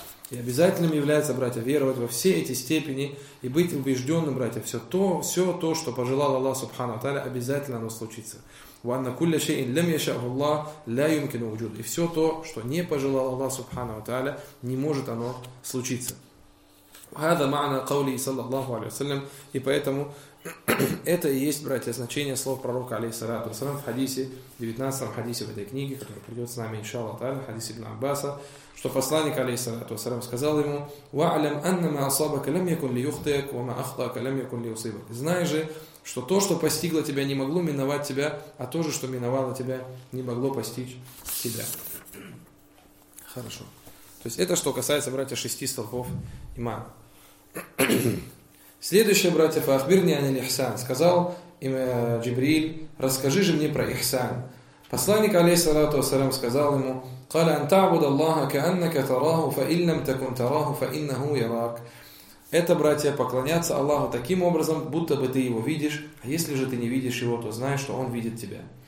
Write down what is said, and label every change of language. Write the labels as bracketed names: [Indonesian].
[Russian] И обязательным является, братья, веровать во все эти степени и быть убежденным, братья, все то, что пожелал Аллах Субхану Тааля, обязательно оно случится. [Arabic] وَأَنَّ كُلَّ شَيْءٍ لَمْ يَشَأْهُ اللَّهُ لَا يُمْكِنُ وُجُودِ. [Russian] И все то, что не пожелал Аллах Субхану Тааля, не может оно случиться. [Arabic] هذا معنى قوله صلى الله عليه وسلم. [Russian] И поэтому это и есть, братья, значение слов пророка, алейхиссалату вассалям, в хадисе, 19-м хадисе в этой книге, который придет с нами, иншаллах тааля, хадис ибн Аббаса, что посланник, алейхиссалату вассалям, сказал ему: [Arabic] وَعْلَمْ أَنَّ مَا أَصَابَكَ لَمْ يَكُنْ لِيُخْطِئَكَ وَمَا أَخْطَأَكَ لَمْ يَكُنْ لِيُصِيبَكَ. [Russian] Знай же, что то, что постигло тебя, не могло миновать тебя, а то же, что миновало тебя, не могло постичь тебя. Хорошо. То есть это что касается, братья, шести столпов имана. Следующее, братья, [Arabic] фахбирни анил ихсан. [Russian] Сказал им Джибриил: расскажи же мне про ихсан. Посланник, алейхиссалату вассалям, сказал ему: [Arabic] قَالَ أَن تَعْبُدَ اللَّهَ كَأَنَّكَ تَرَاهُ فَإِنْ لَمْ تَكُنْ تَرَاهُ فَإِنَّهُ يَرَاكَ. [Russian] Это, братья, поклоняться Аллаху таким образом, будто бы ты его видишь, а если же ты не видишь его, то знай, что он видит тебя.